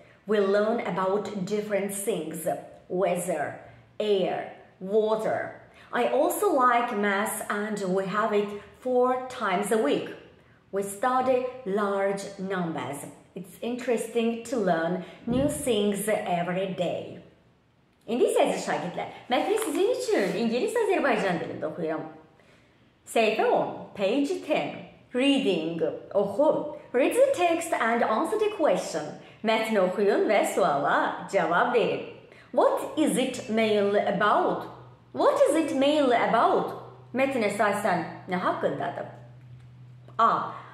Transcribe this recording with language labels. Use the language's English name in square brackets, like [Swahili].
[English] We learn about different things, weather, air, water. I also like math and we have it four times a week. We study large numbers. It's interesting to learn new things every day. [Azerbaijani] İndi isə əziz şagirdlər, mən sizin üçün İngiliz Azərbaycan dilində oxuyuram. Səhifə 10, page 10, reading, oxu. [English] Read the text and answer the question. [Azerbaijani] Mətni oxuyun və suala cavab verin. [English] What is it mainly about? What is it mainly about? [Azerbaijani] Mətn əsasən nə haqqındadır? [English] A.